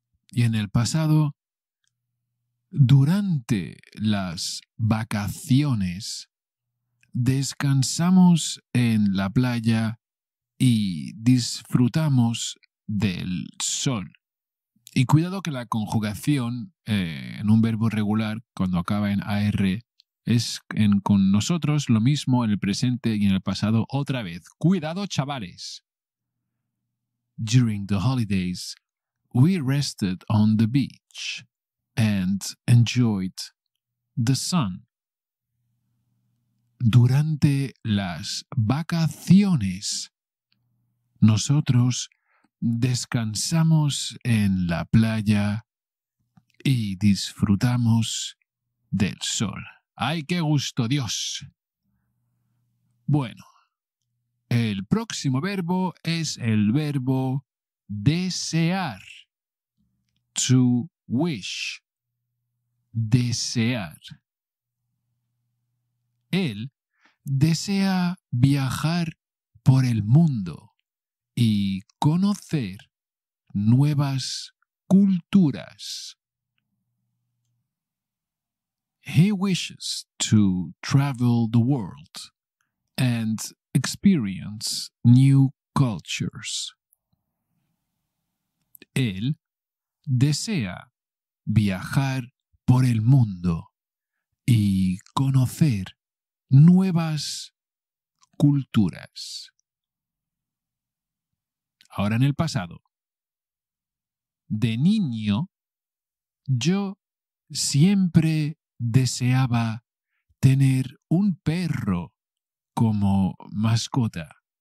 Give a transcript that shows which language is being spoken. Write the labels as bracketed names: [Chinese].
[Spanish] Y en el pasado, durante las vacaciones, descansamos en la playa y disfrutamos del sol. Y cuidado que la conjugación en un verbo regular, cuando acaba en AR, es en con nosotros lo mismo en el presente y en el pasado otra vez. ¡Cuidado, chavales! [English] During the holidays, we rested on the beach and enjoyed the sun. [Spanish] Durante las vacaciones, nosotros descansamos en la playa y disfrutamos del sol. ¡Ay, qué gusto, Dios! Bueno, el próximo verbo es el verbo desear. [English] To wish. [Spanish] Desear. Él desea viajar por el mundo y conocer nuevas culturas. [English] He wishes to travel the world and experience new cultures. [Spanish] Él desea viajar por el mundo y conocer nuevas culturas. Ahora en el pasado. De niño, yo siempre deseaba tener un perro como mascota.